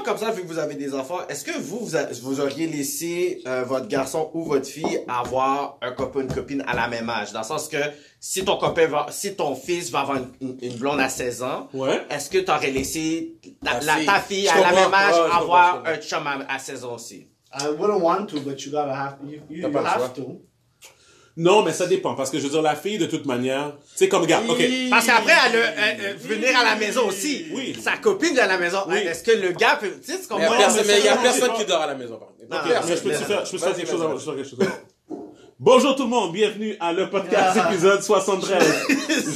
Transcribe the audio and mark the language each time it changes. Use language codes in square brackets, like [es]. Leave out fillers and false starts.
[fr] comme ça, vu que vous avez des enfants, est-ce que vous auriez laissé votre garçon ou votre fille avoir un copain ou une copine à la même âge? Dans le sens que si ton copain va, si ton fils va avoir une blonde à 16 ans, est-ce que tu aurais laissé ta fille à la même âge avoir un chum à 16 ans aussi? [en] I wouldn't want to, but you have to. [fr] Non, mais ça dépend, parce que je veux dire, la fille, de toute manière, tu sais, comme, regarde, ok. Parce qu'après, elle venir à la maison aussi. Oui. Sa copine vient à la maison. Oui. Est-ce que le gars peut, tu sais, c'est comme, mais il y a personne qui dort à la maison, je peux te faire quelque chose. Bonjour tout le monde, bienvenue à le podcast épisode 73.